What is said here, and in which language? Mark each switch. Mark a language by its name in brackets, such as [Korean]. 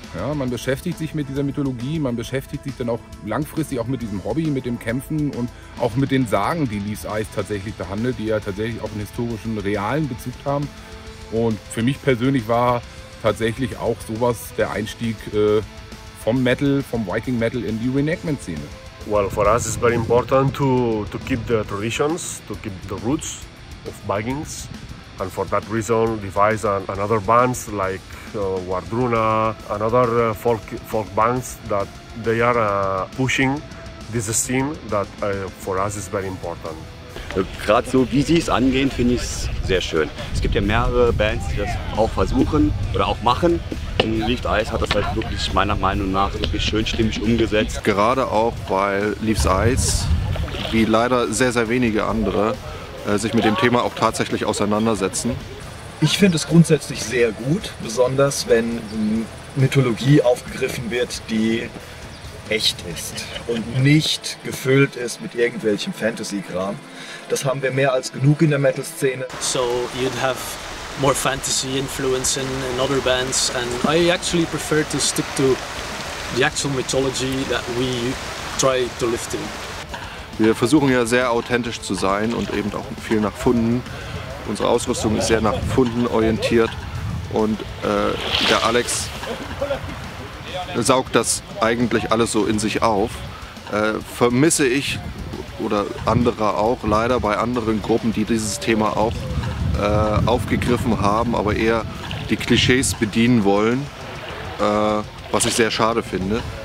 [German] Ja, man beschäftigt sich mit dieser Mythologie, man beschäftigt sich dann auch langfristig auch mit diesem Hobby, mit dem Kämpfen und auch mit den Sagen, die Lys Eyes tatsächlich behandelt, die ja tatsächlich auch einen historischen, realen Bezug haben. Und für mich persönlich war tatsächlich auch sowas der Einstieg vom Metal, vom Viking Metal in die Reenactment-Szene. [English] Well, for us it's very important to keep the traditions, to keep the roots of Vikings, and for that reason Levi's and other bands like Wardruna and other folk bands that they are pushing this scene that for us is very important. [German] Gerade so wie sie es angehen, finde ich es sehr schön. Es gibt ja mehrere Bands, die das auch versuchen oder auch machen. Lys Eyes hat das halt wirklich meiner Meinung nach wirklich schönstimmig umgesetzt. Gerade auch, weil Lys Eyes, wie leider sehr, sehr wenige andere, sich mit dem Thema auch tatsächlich auseinandersetzen. Ich finde es grundsätzlich sehr gut, besonders wenn Mythologie aufgegriffen wird, die echt ist und nicht gefüllt ist mit irgendwelchem Fantasy-Kram. Das haben wir mehr als genug in der Metal-Szene. [English] So you'd have more fantasy influence in other bands, and I actually prefer to stick to the actual mythology that we try to live in. [German] Wir versuchen ja sehr authentisch zu sein und eben auch viel nach Funden. Unsere Ausrüstung ist sehr nach Funden orientiert und der Alex saugt das eigentlich alles so in sich auf. Vermisse ich oder andere auch leider bei anderen Gruppen, die dieses Thema auch aufgegriffen haben, aber eher die Klischees bedienen wollen, was ich sehr schade finde.